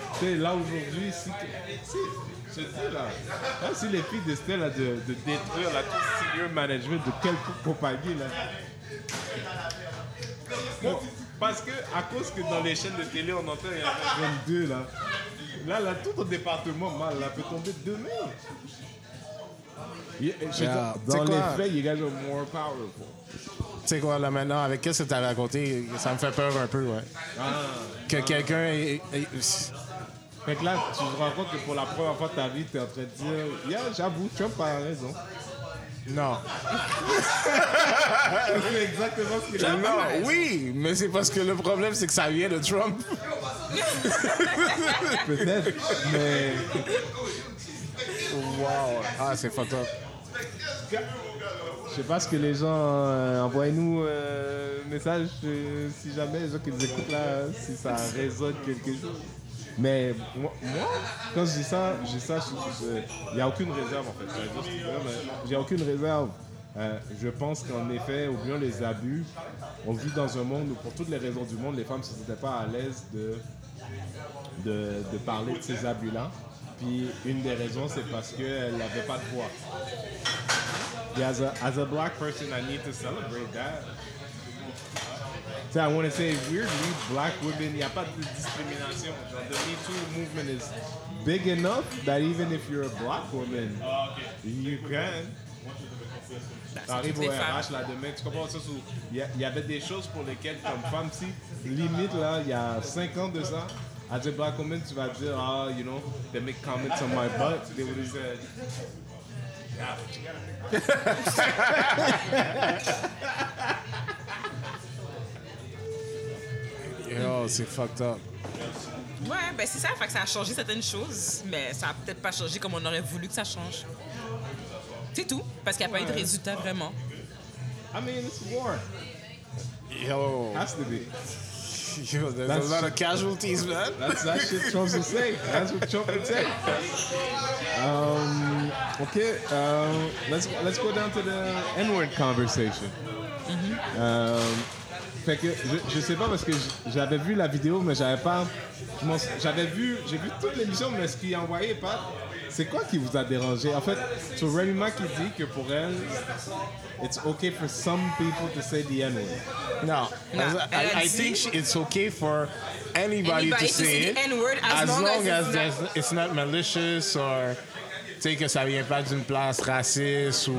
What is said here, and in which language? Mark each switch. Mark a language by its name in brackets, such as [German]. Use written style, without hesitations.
[French] C'est là aujourd'hui, si les filles décidaient là, de détruire la tout senior management de quelque compagnie. Là. Bon, parce que, à cause que dans les chaînes de télé, on entend, il y en a 22 là. Là, tout ton département mal, là, peut tomber demain. [English] Dans les faits, you guys are more powerful. [French] Tu sais quoi, là maintenant, avec ce que tu as raconté, ça me fait peur un peu, ouais. Ah, que quelqu'un. Fait que là, tu te rends compte que pour la première fois de ta vie, tu es en train de dire, yeah, j'avoue, Trump a raison. Non. C'est exactement ce que j'ai dit. Non, oui, mais c'est parce que le problème, c'est que ça vient de Trump. Peut-être, mais. Wow. Ah, c'est fucked up. Je sais pas ce que les gens envoyez-nous un message si jamais les gens qui nous écoutent là, si ça résonne quelque chose. Mais moi, quand je dis ça, il n'y a aucune réserve en fait. J'ai aucune réserve. Je pense qu'en effet, oublions les abus, on vit dans un monde où pour toutes les raisons du monde, les femmes ne se sentaient pas à l'aise de parler de ces abus-là. Puis une des raisons, c'est parce qu'elles n'avaient pas de voix. [English] As a black person, I need to celebrate that. I want to say, weirdly, black women, [French] il n'y a pas de discrimination. [English] The Me Too movement is big enough that even if you're a black woman, you can. [French] T'arrives au RH, là, demain, tu comprends ça? Il y avait des choses pour lesquelles, comme femme, si, limite, là, il y a 5 ans de ça, [English] as a black woman, [French] tu vas dire, [English] ah, you know, they make comments on my butt. They would have said, yeah, but you gotta [French] Yo, c'est fucked up. Ouais, ben c'est ça, fait que ça a changé certaines choses, mais ça a peut-être pas changé comme on aurait voulu que ça change. C'est tout, parce qu'il n'y a pas eu de résultat vraiment. [English] I mean, it's war. Yo. Has to be. Yo, there's a lot of casualties, man. That's that shit Trump will say. That's what Trump will say. Okay, let's go down to the N-word conversation. Mm-hmm. [French] Fait que je sais pas parce que j'avais vu la vidéo, mais j'avais pas. J'ai vu toute l'émission, mais ce qu'il envoyait pas. C'est quoi qui vous a dérangé? En fait, c'est Remy Ma qui dit que pour elle, [English] it's okay for some people to say the N word. [French] Non. [English] I think it's okay for anybody to say it. The N word as long as it's not malicious or. [French] Tu sais, que ça vient pas d'une place raciste ou.